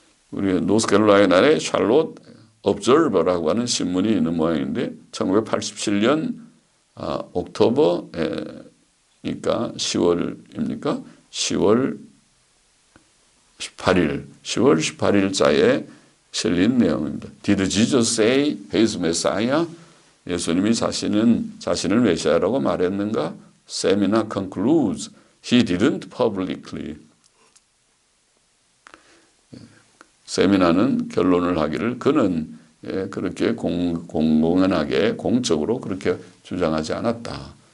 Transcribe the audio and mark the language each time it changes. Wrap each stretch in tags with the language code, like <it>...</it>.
<ko>우리 노스캐롤라이나의 샬롯 업저버라고 하는 신문이 있는 모양인데 1987년 옥토버니까 10월입니까? 10월 18일, 10월 18일자에 실린 내용입니다.</ko> <en>Did Jesus say his Messiah?</en> <ko>예수님이 자신을 메시아라고 말했는가?</ko> <en>Seminar concludes. He didn't publicly.</en> <ko>세미나는 결론을 하기를 그는 그렇게 공공연하게 공적으로 그렇게 주장하지 않았다.</ko>